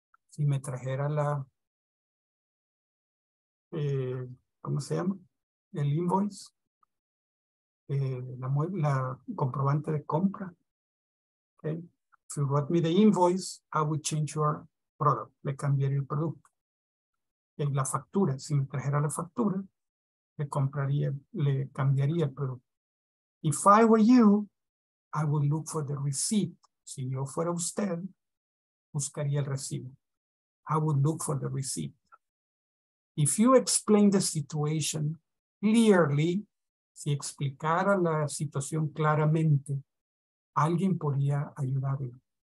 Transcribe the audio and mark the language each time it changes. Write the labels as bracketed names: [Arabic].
[Spanish] Si me trajera la, ¿cómo se llama? El invoice, la comprobante de compra. Okay. [English] If you brought me the invoice, I would change your product. [Spanish] Le cambiaría el producto. En la factura, si me trajera la factura, le compraría, le cambiaría el producto. [English] If I were you, I would look for the receipt. [Spanish] Si yo fuera usted, buscaría el recibo. [English] I would look for the receipt. If you explain the situation clearly, [Spanish] si explicara la situación claramente, alguien podría ayudarle.